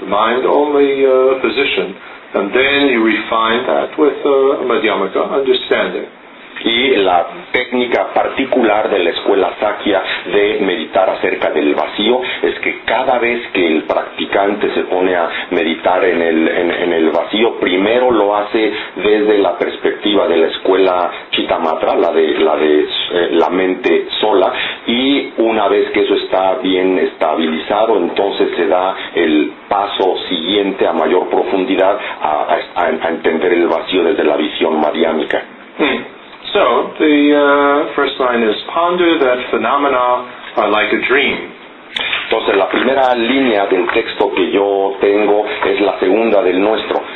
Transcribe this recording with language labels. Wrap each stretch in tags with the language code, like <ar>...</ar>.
<en>the mind only position, and then you refine that with madhyamaka understanding.</en> <es>Y la técnica particular de la escuela Sakya de meditar acerca del vacío es que cada vez que el practicante se pone a meditar en el vacío, primero lo hace desde la perspectiva de la escuela Chittamatra, la mente sola, y una vez que eso está bien estabilizado, entonces se da el paso siguiente a mayor profundidad a entender el vacío desde la visión madhyamika.</es> <en>So, the first line is, ponder that phenomena are like a dream.</en> <es>Entonces, la primera línea del texto que yo tengo es la segunda del nuestro.</es>